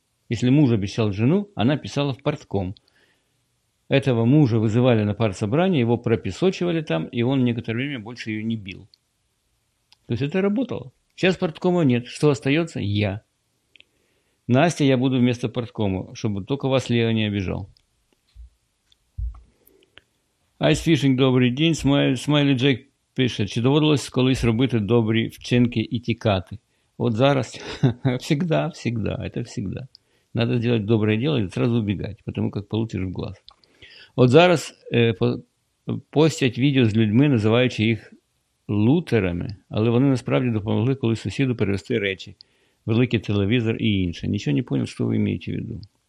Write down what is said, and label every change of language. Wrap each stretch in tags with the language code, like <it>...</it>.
<ru>Если муж обещал жену, она писала в партком. Этого мужа вызывали на партсобрание, его пропесочивали там, и он некоторое время больше ее не бил. То есть это работало. Сейчас парткома нет. Что остается? Я. Настя, я буду вместо парткома, чтобы только вас Лео не обижал. Ice Fishing, добрый день. Смайли Джек пишет.</ru> <uk>Чи доводилось колись робити добрі вчинки і тікати? От зараз.</uk> <ru>Всегда, всегда. Это всегда. Надо сделать доброе дело и сразу убегать, потому как получишь в глаз.</ru> <uk>От зараз постять відео з людьми, називаючи їх лутерами, але вони насправді допомогли коли сусіду перевезти речі. Великий телевізор і інше. Нічого не зрозумів, що ви маєте в виду.</uk>